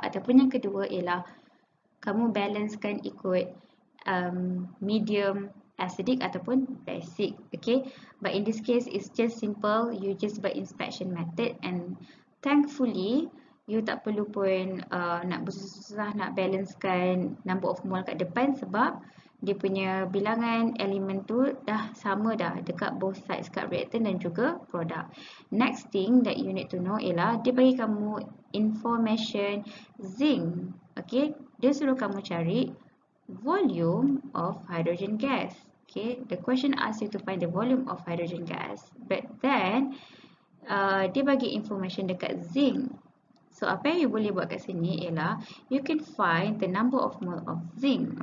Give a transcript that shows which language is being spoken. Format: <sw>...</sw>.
<ms>Ataupun yang kedua ialah kamu balancekan ikut medium acidic ataupun basic.</ms> <en>Okay, but in this case, it's just simple. You just buy inspection method, and thankfully,</en> <ms>you tak perlu pun nak bersusah-susah nak balancekan number of mole kat depan sebab dia punya bilangan elemen tu dah sama dah dekat both sides, kat reactant dan juga product.</ms> <en>Next thing that you need to know</en> <ms>ialah dia bagi kamu</ms> <en>information zinc.</en> <ms>Okay, dia suruh kamu cari</ms> <en>volume of hydrogen gas. Okay, the question asks you to find the volume of hydrogen gas.</en> <ms>But then, dia bagi information dekat zinc.</ms> <en>So,</en> <ms>apa yang you boleh buat kat sini ialah</ms> <en>you can find the number of mole of zinc.</en>